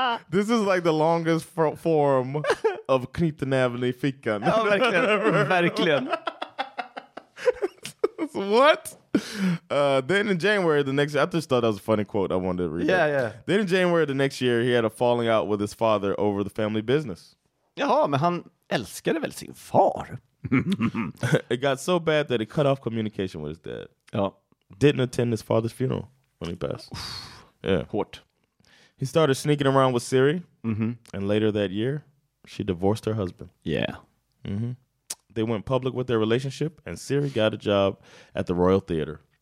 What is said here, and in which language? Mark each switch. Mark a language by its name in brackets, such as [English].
[English] This is like the longest form of [Swedish] knyta näven I fickan. Ja, verkligen. Verkligen. [English] What? Then in January the next year, I just thought that was a funny quote. I wanted to read yeah, it. Yeah. Then in January the next year, he had a falling out with his father over the family business. [Swedish] Jaha, men han älskade väl sin far? [English] It got so bad that he cut off communication with his dad. [Swedish] Ja. [English] Didn't attend his father's funeral when he passed. Yeah. [Swedish] Hårt. [English] He started sneaking around with Siri. Mm-hmm. And later that year, she divorced her husband. Yeah. Mm-hmm. They went public with their relationship, and Siri got a job at the Royal Theater.